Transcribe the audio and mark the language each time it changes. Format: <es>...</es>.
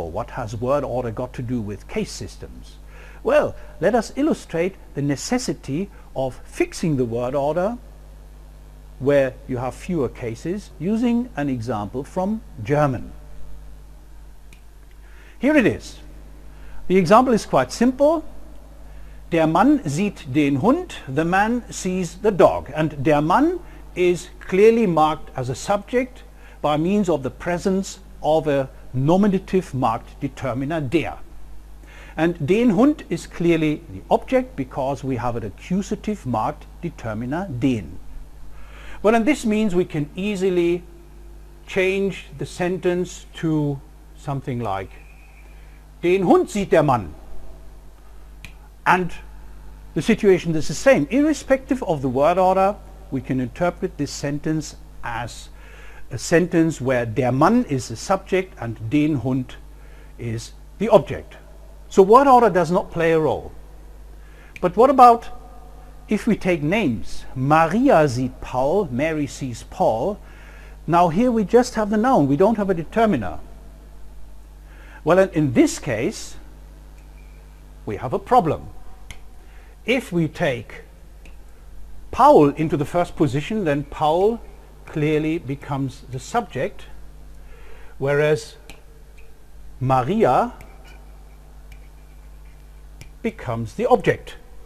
<en>What has word order got to do with case systems? Well, let us illustrate the necessity of fixing the word order where you have fewer cases using an example from German. Here it is. The example is quite simple.</en> <de>Der Mann sieht den Hund,</de> <en>the man sees the dog. And der Mann is clearly marked as a subject by means of the presence of a nominative marked determiner, der. And den Hund is clearly the object because we have an accusative marked determiner, den. Well, and this means we can easily change the sentence to something like</en> <de>den Hund sieht der Mann.</de> <en>And the situation is the same. Irrespective of the word order, we can interpret this sentence as a sentence where der Mann is the subject and den Hund is the object. So word order does not play a role. But what about if we take names?</en> <de>Maria sieht Paul,</de> <en>Mary sees Paul. Now here we just have the noun, we don't have a determiner. Well, in this case, we have a problem. If we take Paul into the first position, then Paul clearly becomes the subject, whereas Maria becomes the object.</en>